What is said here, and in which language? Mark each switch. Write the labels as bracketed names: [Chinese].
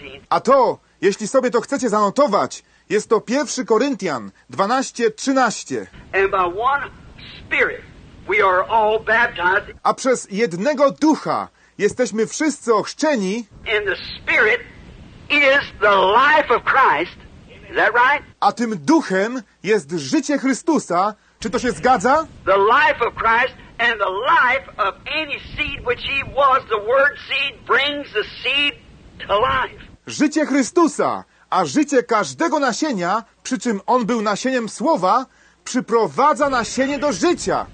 [Polish] A to, jeśli sobie to chcecie zanotować, jest to 1 Koryntian 12:13. [English] And by one Spirit we are all baptized. [Polish] A przez jednego ducha jesteśmy wszyscy ochrzczeni. [English] And the Spirit is the life of Christ. Is that right? [Polish] A tym duchem jest życie Chrystusa. Czy to się zgadza? [English] The life of Christ and the life of any seed which he was, the word seed brings the seed to life. [Polish] Życie Chrystusa, a życie każdego nasienia, przy czym on był nasieniem słowa, przyprowadza nasienie do życia.